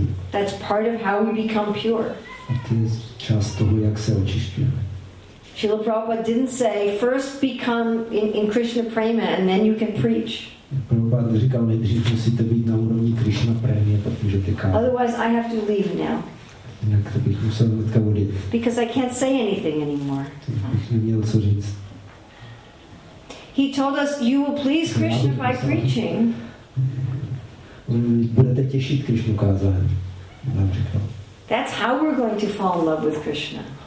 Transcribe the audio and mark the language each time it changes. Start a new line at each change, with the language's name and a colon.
English: That's part of how we become pure. Srila Prabhupada didn't say, first become in Krishna Prema and then you can preach.
Czech: Prabhupada říkal, nejdřív musíte být na úrovni Krishna prémie, pak můžete kázat.
English: Otherwise I have to leave now.
Czech: Jinak to bych musel hnedka odjet.
English: Because I can't say anything anymore.
Czech: To bych neměl co říct.
English: He told us, you will please Krishna by preaching.
Czech: Budete těšit Krishnu kázání. Nám říkal.
English: That's how we're going to fall in love with Krishna.